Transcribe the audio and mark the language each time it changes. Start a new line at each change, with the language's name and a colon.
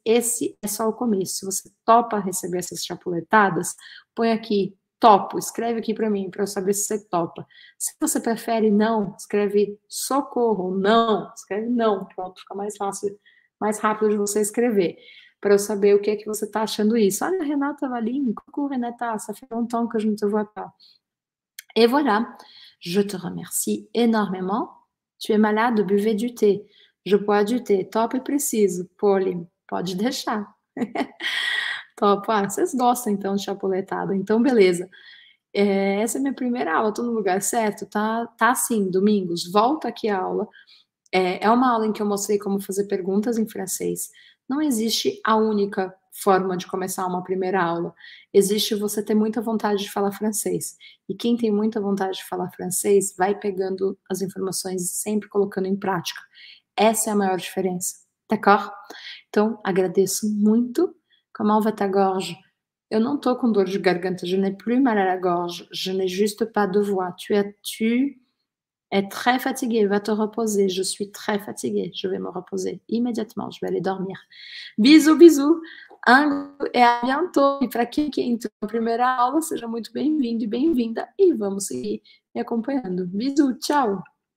Portuguese: Esse é só o começo. Se você topa receber essas chapuletadas, põe aqui, topo, escreve aqui para mim, para eu saber se você topa. Se você prefere não, escreve socorro, não, escreve não, pronto, fica mais fácil, mais rápido de você escrever, para eu saber o que é que você está achando isso.
French: Olha, Renata Valim, cucu, Renata, ça fait longtemps que je ne te vois pas. Et voilà, je te remercie énormément. Tu es malade, buvez du thé. Je bois du thé,
Portuguese: top e preciso. Poli, pode deixar. Top, ah, vocês gostam então de chapuletada. Então, beleza. Essa é minha primeira aula, tô no lugar certo? Tá sim, Domingos, volta aqui a aula. É uma aula em que eu mostrei como fazer perguntas em francês. Não existe a única forma de começar uma primeira aula. Existe você ter muita vontade de falar francês. E quem tem muita vontade de falar francês, vai pegando as informações e sempre colocando em prática. Essa é a maior diferença, d'accord? Então, agradeço muito.
French: Comment va ta gorge?
Portuguese: Eu não tô com dor de garganta,
French: je n'ai plus mal à la gorge, je n'ai juste pas de voix. Tu es très fatigué, va te reposer. Je suis très fatigué, je vais me reposer immédiatement, je vais aller dormir. Bisous, bisous, et à bientôt.
Portuguese: E para quem entrou na primeira aula, seja muito bem-vindo e bem-vinda. E vamos seguir me acompanhando. Bisous, tchau.